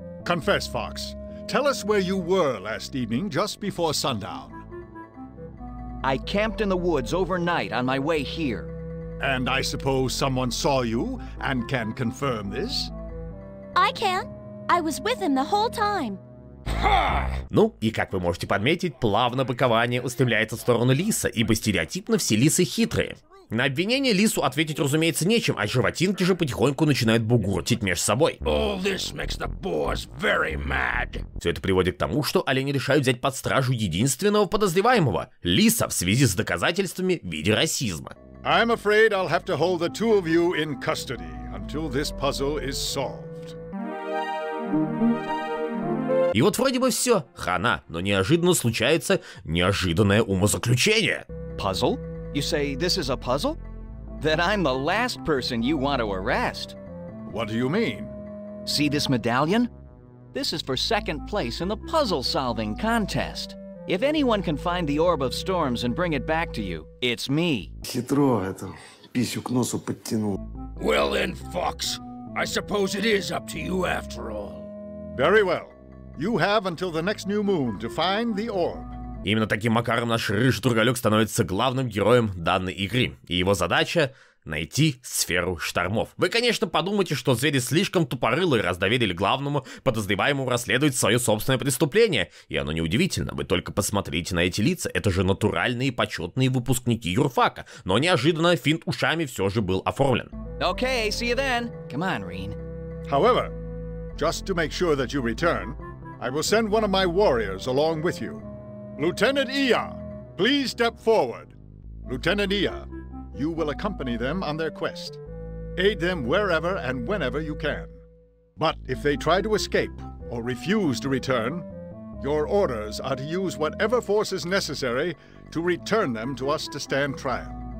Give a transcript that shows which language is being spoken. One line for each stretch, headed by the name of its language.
English: Confess, Fox. Tell us where you were last evening, just before sundown. I camped in the woods overnight on my way here. And I suppose someone saw you and can confirm this? I can. I was with him the whole time.
Russian: Ну, и как вы можете подметить, плавно быкование устремляется в сторону лиса, ибо стереотипно все лисы хитрые. На обвинение лису ответить, разумеется, нечем, а животинки же потихоньку начинают бугуртить между собой.
English: All this makes the boars very mad.
Russian: Все это приводит к тому, что олени решают взять под стражу единственного подозреваемого — лиса в связи с доказательствами в виде расизма.
English: I'm afraid I'll have to hold the two of you in custody until this puzzle is solved.
Russian: И вот вроде бы все, хана, но неожиданно случается неожиданное умозаключение.
English: Puzzle? You say this is a puzzle? Then I'm the last person you want to arrest. What do you mean? See this medallion? This is for second place in the puzzle-solving contest. If anyone can find the Orb of Storms and bring it back to you, it's me.
Russian: Хитро это, писю к носу подтянул.
English: Well then, Fox, I suppose it is up to you after all. Very well. You have until the next new moon to find the orb.
Russian: Именно таким макаром наш рыжий турголёк становится главным героем данной игры. И его задача — найти сферу штормов. Вы, конечно, подумаете, что звери слишком тупорылые, раз доверили главному подозреваемому расследовать свое собственное преступление. И оно неудивительно. Вы только посмотрите на эти лица. Это же натуральные почетные выпускники юрфака. Но неожиданно финт ушами все же был оформлен.
English: Okay, see you then. Come on, Reen. However, just to make sure that you return, I will send one of my warriors along with you. Lieutenant Ia, please step forward. Lieutenant Ia, you will accompany them on their quest. Aid them wherever and whenever you can. But if they try to escape or refuse to return, your orders are to use whatever force is necessary to return them to us to stand trial.